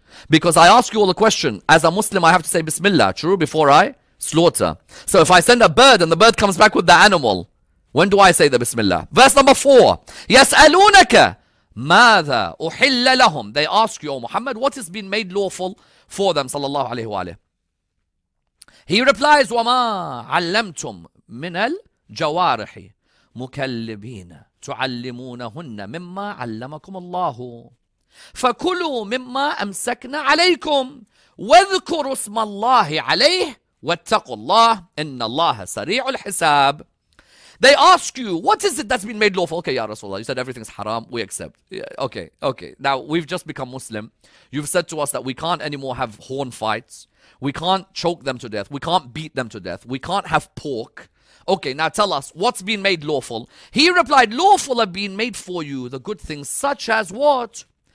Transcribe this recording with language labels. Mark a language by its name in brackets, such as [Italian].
[English] Because I ask you all a question. As a Muslim, I have to say Bismillah, true, before I slaughter. So if I send a bird and the bird comes back with the animal, when do I say the Bismillah? Verse number 4. [Arabic] يَسْأَلُونَكَ مَاذَا أُحِلَّ لَهُمْ. [English] They ask you, O Muhammad, what has been made lawful for them, sallallahu alayhi wa alayhi. He replies, [Arabic] وَمَا عَلَّمْتُمْ من الجوارح مكلبين تعلمونهن مما علمكم الله فكلوا مما أمسكنا عليكم واذكروا اسم الله عليه واتقوا الله إن الله سريع الحساب. [English] They ask you, what is it that's been made lawful? Okay, Ya Rasulullah, you said everything's haram, we accept. Yeah, okay, okay. Now, we've just become Muslim. You've said to us that we can't anymore have horn fights. We can't choke them to death. We can't beat them to death. We can't have pork. Okay, now tell us, what's been made lawful? He replied, lawful have been made for you the good things, such as what?